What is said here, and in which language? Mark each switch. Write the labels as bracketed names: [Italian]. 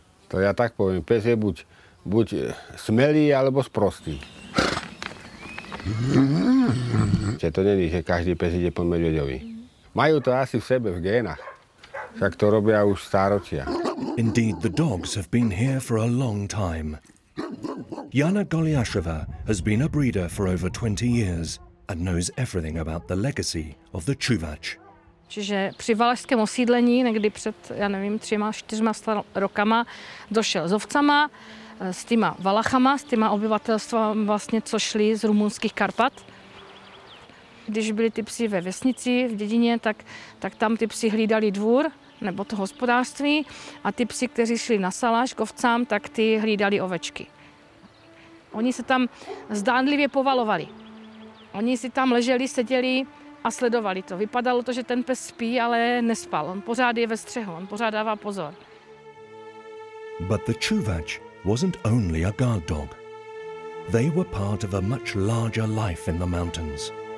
[Slovak] To ja tak poviem, pes je buď smelý, alebo sprostý. Čiže to není, že každý pes ide po medveďovi. Majú to asi v sebe, v génach. Však to robia už stáročia. [English] Indeed, the dogs have been here for a long time. Jana Goliasheva has been a breeder for over 20 years and knows everything about the legacy of the Chuvash. [Czech] Čiže při valašském osídlení někdy před, já nevím, 3-4 rokama došel s ovcama, s těma valachama, s těma obyvatelstvem vlastně, co šli z rumunských Karpat. Když byli ty psi ve vesnici, v dědině, tak tam ty psi hlídali dvůr nebo to hospodářství a ty psi, kteří šli na salaš k ovcám, tak ty hlídali ovečky. Oni se tam zdánlivě povalovali. Oni si tam leželi, seděli a sledovali to. Vypadalo to, že ten pes spí, ale nespal. On pořád je ve střehu, on pořád dává pozor. [English] But the Chuvash wasn't only a guard dog. They were part of a much larger life in the mountains.